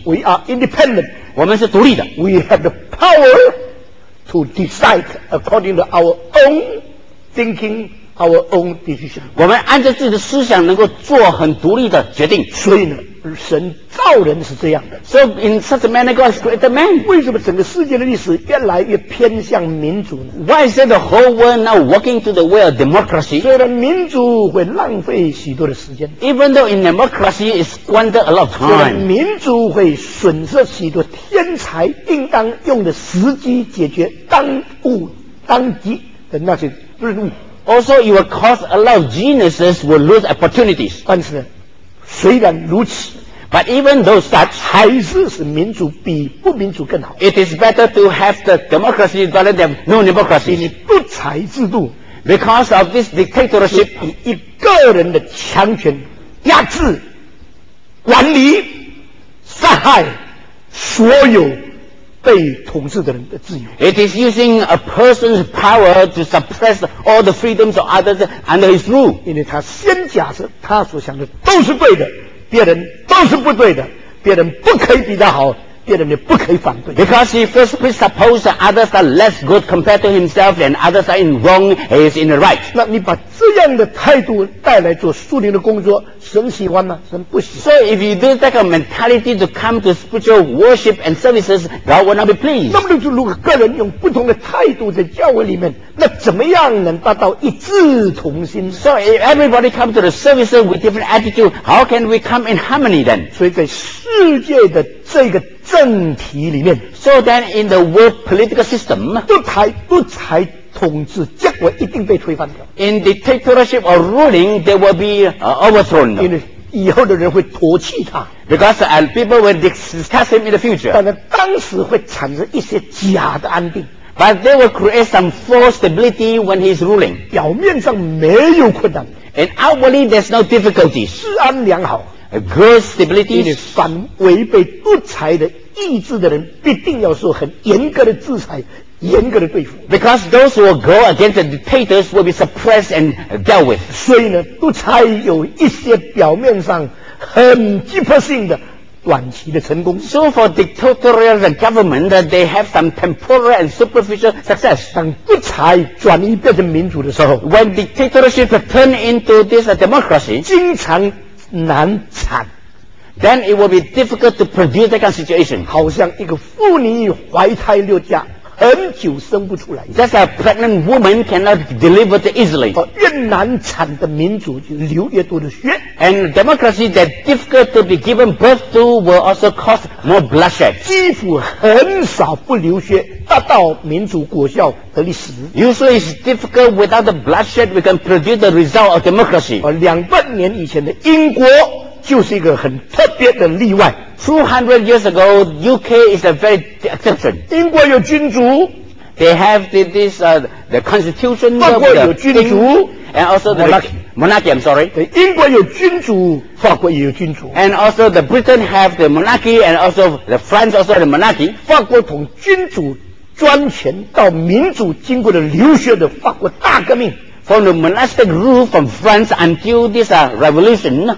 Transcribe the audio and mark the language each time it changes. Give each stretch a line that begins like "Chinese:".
English: We are independent，
Chinese: 我们是独立的。
English: We have the power to decide according to our own thinking, our own decision。
Chinese: 我们按照自己的思想能够做很独立的决定。所以呢，神造人是这样的。
English: So in such a manner, God created man.
Chinese: 为什么整个世界的历史越来越偏向民主呢？
English: Why is the whole world now walking to the way of democracy?
Chinese: 虽然民主会浪费许多的时间。
English: Even though in democracy it squanders a lot of time.
Chinese: 虽然民主会损失许多天才应当用的时机解决当务当急的那些任务。
English: Also, it will cause a lot of geniuses will lose opportunities.
Chinese: 但是呢，虽然如此
English: ，But even though such，
Chinese: 还是使民主比不民主更好。
English: It is better to have the democracy rather than no democracy。
Chinese: 你独裁制度
English: ，because of this dictatorship，
Chinese: 以一个人的强权压制、管理、杀害所有被统治的人的自由。
English: It is using a person's power to suppress all the freedoms of others under his rule.
Chinese: 因为他先假设他所想的都是对的，别人都是不对的，别人不可以比他好，别人也不可以反对。
English: Because he first presupposed others are less good compared to himself, and others are in wrong, he is in the right.
Chinese: 那你把这样的态度带来做属灵的工作，神喜欢吗？神不喜欢。
English: So if you do that kind of mentality to come to spiritual worship and services, God will not be pleased.
Chinese: 那么就如果个人用不同的态度在教会里面，那怎么样能达到一致同心？
English: So if everybody come to the services with different attitude, how can we come in harmony then?
Chinese: 所以在世界的这个政体里面，
English: So then in the world political system,
Chinese: 独裁统治结果一定被推翻掉。
English: In dictatorship or ruling, they will be overthrown.
Chinese: 因为以后的人会唾弃他。
English: Because people will discuss him in the future.
Chinese: 但是当时会产生一些假的安定。
English: But they will create some false stability when he's ruling.
Chinese: 表面上没有困难。
English: And outwardly, there's no difficulties.
Chinese: 治安良好。
English: A good stability.
Chinese: 因为反违背独裁的意志的人，必定要受很严格的制裁。严格的对付
English: ，because those who will go against the dictators will be suppressed and dealt with。
Chinese: 所以呢，独裁有一些表面上很急迫性的短期的成功。
English: So for dictatorial government, they have some temporary and superficial success。
Chinese: 当独裁转移变成民主的时候
English: ，when dictatorship turn into this democracy，
Chinese: 经常难产。
English: Then it will be difficult to produce that kind of situation。
Chinese: 好像一个妇女怀胎六甲。很久生不出来。
English: That's a pregnant woman cannot deliver it easily.
Chinese: 越难产的民主就流越多的血。
English: And democracy that difficult to be given birth to will also cause more bloodshed.
Chinese: 几乎很少不流血，达到民主果效的历史。
English: Usually it's difficult without the bloodshed we can produce the result of democracy.
Chinese: 200年以前的英国就是一个很特别的例外。
English: 200 years ago, UK is a very exception.
Chinese: 英国有君主。
English: They have the constitution.
Chinese: 法国有君主。
English: And also the monarchy, I'm sorry.
Chinese: 英国有君主，法国也有君主。
English: And also the Britain have the monarchy, and also the France also the monarchy.
Chinese: 法国从君主专权到民主，经过了流血的法国大革命。
English: From the monastic rule from France until this revolution.